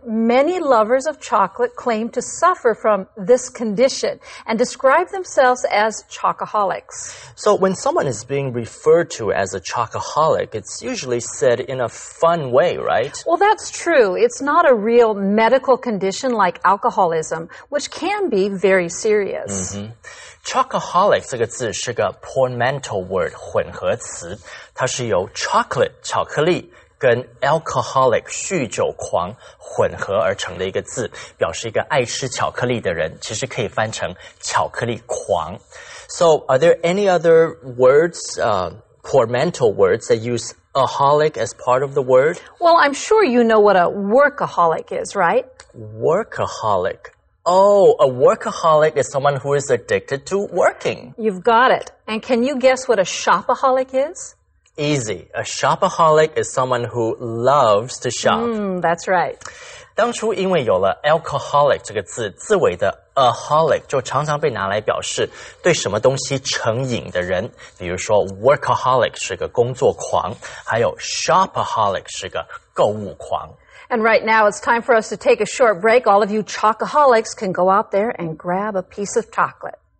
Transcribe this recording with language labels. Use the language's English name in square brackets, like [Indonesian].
[English] Many lovers of chocolate claim to suffer from this condition and describe themselves as chocoholics. So when someone is being referred to as a chocoholic, it's usually said in a fun way, right? Well, that's true. It's not a real medical condition like alcoholism, which can be very serious. Mm-hmm. [Chinese] Chocoholic 这个字是个 portmanteau word 混合词，它是由 chocolate 巧克力跟 alcoholic 酗酒狂混合而成的一个字，表示一个爱吃巧克力的人，其实可以翻成巧克力狂。 [English] So, are there any other words, portmanteau words that use aholic as part of the word? Well, I'm sure you know what a workaholic is, right? Workaholic. Oh, a workaholic is someone who is addicted to working. You've got it. And can you guess what a shopaholic is? Easy. A shopaholic is someone who loves to shop. That's right. [Chinese] 当初因为有了 alcoholic 这个字，字尾的 aholic 就常常被拿来表示对什么东西成瘾的人。比如说 workaholic 是个工作狂，还有 shopaholic 是个购物狂。 [English] And right now it's time for us to take a short break. All of you chocoholics can go out there and grab a piece of chocolate.